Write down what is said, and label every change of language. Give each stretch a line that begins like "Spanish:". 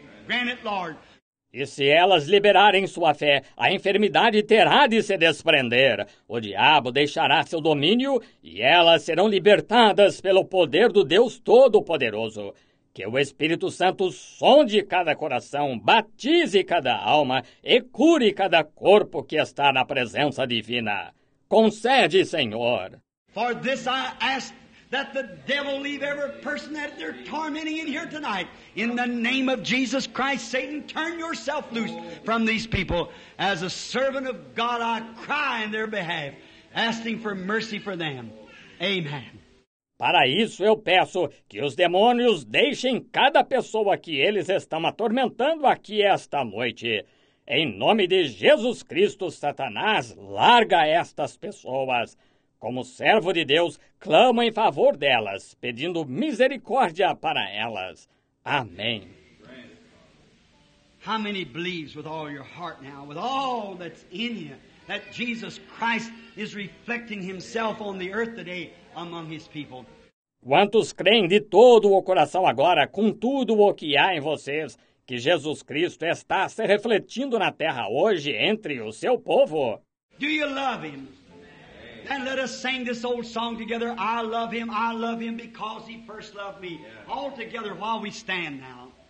English: Grant it, Lord.
Portuguese: E se elas liberarem sua fé, a enfermidade terá de se desprender. O diabo deixará seu domínio e elas serão libertadas pelo poder do Deus Todo-Poderoso. Que o Espírito Santo sonde cada coração, batize cada alma e cure cada corpo que está na presença divina. Concede, Senhor.
English: For this I ask that the devil leave every person that they're tormenting in here tonight. In the name of Jesus Christ, Satan, turn yourself loose from these people. As a servant of God, I cry in their behalf, asking for mercy for them. Amen.
Portuguese: Para isso eu peço que os demônios deixem cada pessoa que eles estão atormentando aqui esta noite. Em nome de Jesus Cristo, Satanás, larga estas pessoas. Como servo de Deus, clamo em favor delas, pedindo misericórdia para elas. Amém.
English: How many believes with all your heart now, with all that's in you, that Jesus Christ is reflecting himself on the earth today among his people?
Portuguese: Quantos creem de todo o coração agora, com tudo o que há em vocês, que Jesus Cristo está se refletindo na terra hoje entre o seu povo?
English: Do you love him? And let us sing this old song together. I love him because he first loved me. Yeah. All together while we stand now.